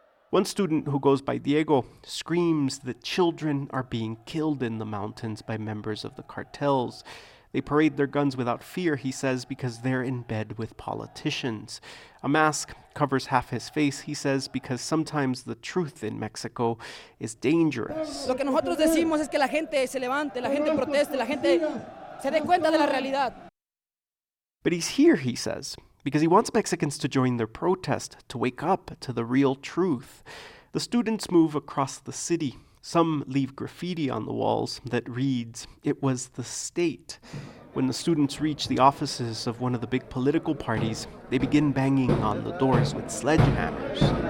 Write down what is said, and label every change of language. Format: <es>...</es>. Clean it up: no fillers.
<en>One student who goes by Diego screams that children are being killed in the mountains by members of the cartels. They parade their guns without fear, he says, because they're in bed with politicians. A mask covers half his face, he says, because sometimes the truth in Mexico is dangerous.</en> <es>Lo que nosotros decimos es que la gente se levante, la gente proteste, la gente se dé cuenta de la realidad.</es> <en>But he's here, he says, because he wants Mexicans to join their protest, to wake up to the real truth. The students move across the city. Some leave graffiti on the walls that reads, "It was the state." When the students reach the offices of one of the big political parties, they begin banging on the doors with sledgehammers.</en>